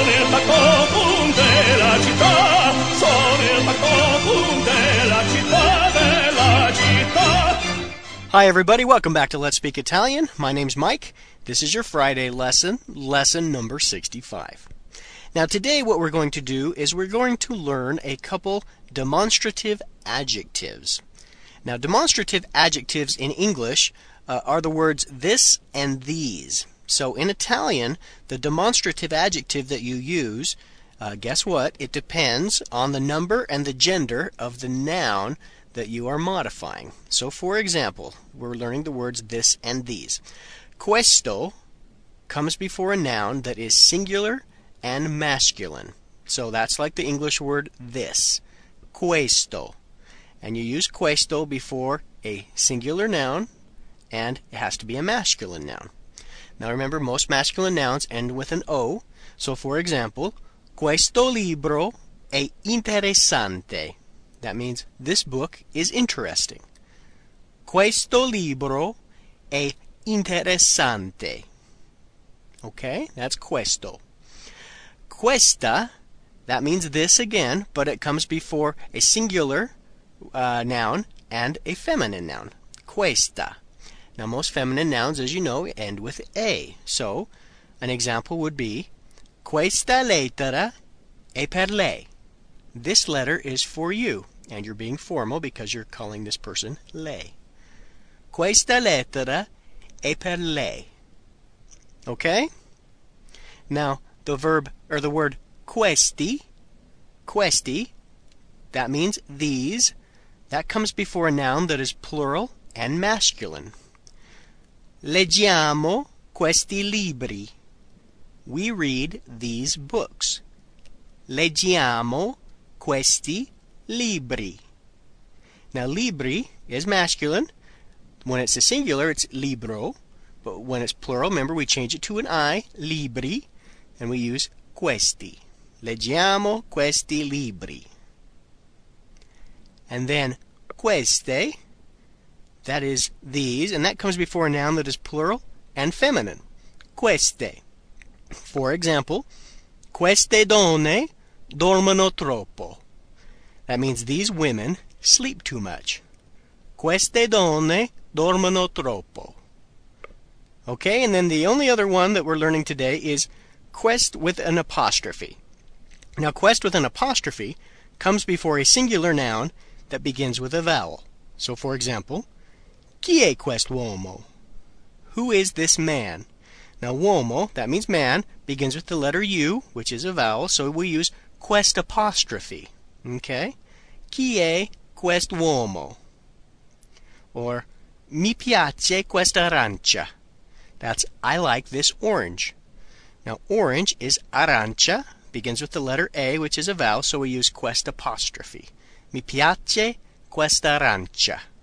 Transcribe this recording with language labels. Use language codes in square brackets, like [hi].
[en] pacco con della città, sono il pacco con della città, della città. Hi everybody, welcome back to Let's Speak Italian. My name's Mike. This is your Friday lesson, lesson number 65. Now today what we're going to do is we're going to learn a couple demonstrative adjectives. Now demonstrative adjectives in English are the words this and these. So in Italian, the demonstrative adjective that you use, guess what? It depends on the number and the gender of the noun that you are modifying. So for example, we're learning the words this and these. Questo comes before a noun that is singular and masculine. So that's like the English word this, questo. And you use questo before a singular noun, and it has to be a masculine noun. Now remember, most masculine nouns end with an O. So for example, [it] questo libro è interessante. [en] That means this book is interesting. [it] Questo libro è interessante. [en] Okay, that's questo. Questa, that means this again, but it comes before a singular noun and a feminine noun. Questa. Now most feminine nouns, as you know, end with A. So an example would be, [it] questa lettera è per lei. [en] This letter is for you. And you're being formal because you're calling this person lei. [it] Questa lettera è per lei. [en] Okay? Now, the verb, or the word questi, questi, that means these, that comes before a noun that is plural and masculine. [it] Leggiamo questi libri. [en] We read these books. [it] Leggiamo questi libri. [en] Now, libri is masculine. When it's a singular, it's libro. But when it's plural, remember, we change it to an I, libri, and we use questi. [it] Leggiamo questi libri. [en] And then, queste, that is these, and that comes before a noun that is plural and feminine. Queste. For example, [it] queste donne dormono troppo. [en] That means these women sleep too much. [it] Queste donne dormono troppo. [en] Okay, and then the only other one that we're learning today is quest with an apostrophe. Now, quest with an apostrophe comes before a singular noun that begins with a vowel. So, for example, [it] chi è quest'uomo? [en] Who is this man? Now, uomo, that means man, begins with the letter U, which is a vowel, so we use quest apostrophe. [it] Okay? Chi è quest'uomo? Or, mi piace questa arancia. [en] That's, I like this orange. Now, orange is arancia, begins with the letter A, which is a vowel, so we use quest apostrophe. [it] Mi piace questa arancia.